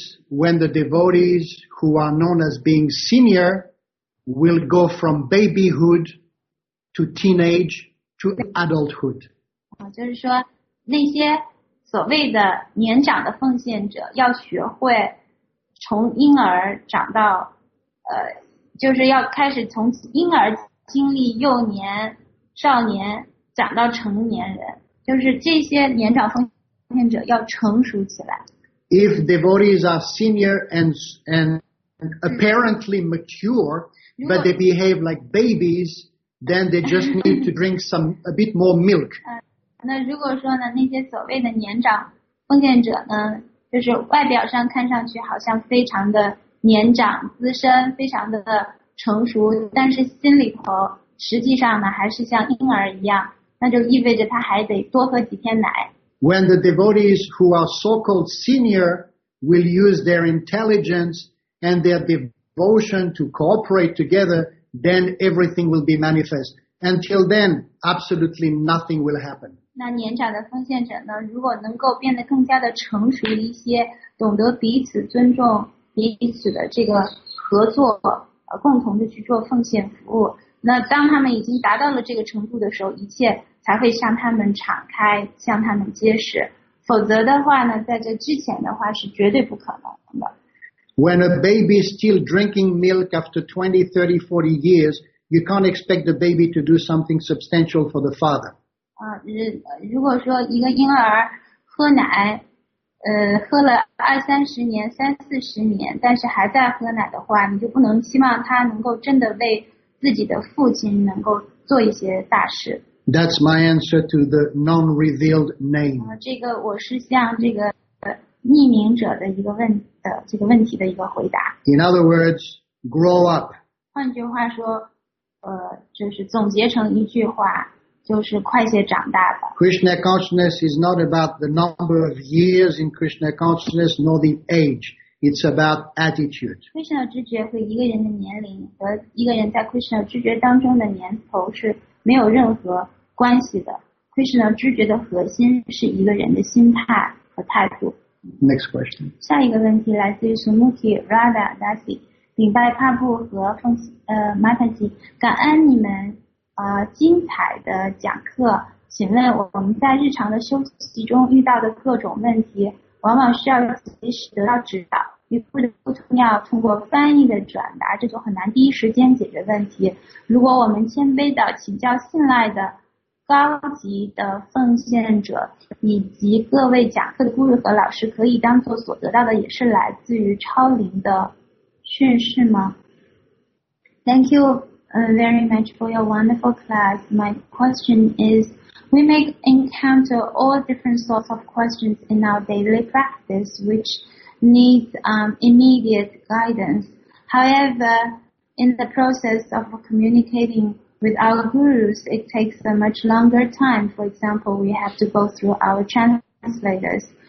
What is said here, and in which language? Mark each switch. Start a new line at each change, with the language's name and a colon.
English: When the devotees who are known as being senior will go from babyhood to teenage to adulthood.
Chinese: 就是说那些所谓的年长的奉献者要学会从婴儿长到就是要开始从婴儿经历幼年少年长到成年人，就是这些年长奉献者要成熟起来。
English: If devotees are senior and apparently mature, but they behave like babies, then they just need to drink some a bit more milk.
Chinese: 那如果说呢，那些所谓的年长奉献者呢，就是外表上看上去好像非常的年长资深，非常的成熟，但是心里头实际上呢，还是像婴儿一样。那就意味着他还得多喝几天奶。
English: When the devotees who are so-called senior will use their intelligence and their devotion to cooperate together, then everything will be manifest. Until then, absolutely nothing will happen.
Chinese: 那年长的奉献者呢，如果能够变得更加的成熟一些，懂得彼此尊重，彼此的这个合作，共同的去做奉献服务。那当他们已经达到了这个程度的时候，一切才会向他们敞开，向他们揭示。否则的话呢，在这之前的话是绝对不可能的。
English: When a baby is still drinking milk after 20, 30, 40 years, you can't expect the baby to do something substantial for the father.
Chinese: 如果说一个婴儿喝奶，喝了二三十年、三四十年，但是还在喝奶的话，你就不能期望他能够真的为自己的父亲能够做一些大事。
English: That's my answer to the non-revealed name.
Chinese: 这个我是向这个匿名者的一个问的这个问题的一个回答。
English: In other words, grow up.
Chinese: 换句话说，就是总结成一句话，就是快些长大吧。
English: Krishna consciousness is not about the number of years in Krishna consciousness nor the age. It's about attitude.
Chinese: Krishna 知觉和一个人的年龄和一个人在 Krishna 知觉当中的年头是没有任何关系的。 Krishna 知觉的核心是一个人的心态和态度。
English: Next question.
Chinese: 下一个问题来自于 Sumuti Radha Dasi， 顶拜帕布和Mataji， 感恩你们。精彩的讲课，请问我们在日常的修习中遇到的各种问题，往往需要及时得到指导，与不同要通过翻译的转达，这就很难第一时间解决问题。如果我们谦卑的请教信赖的高级的奉献者，以及各位讲课的顾问和老师，可以当作所得到的也是来自于超灵的训示吗 ？
English: Thank you. Very much for your wonderful class. My question is, we may encounter all different sorts of questions in our daily practice, which needs immediate guidance. However, in the process of communicating with our gurus, it takes a much longer time. For example, we have to go through our translators.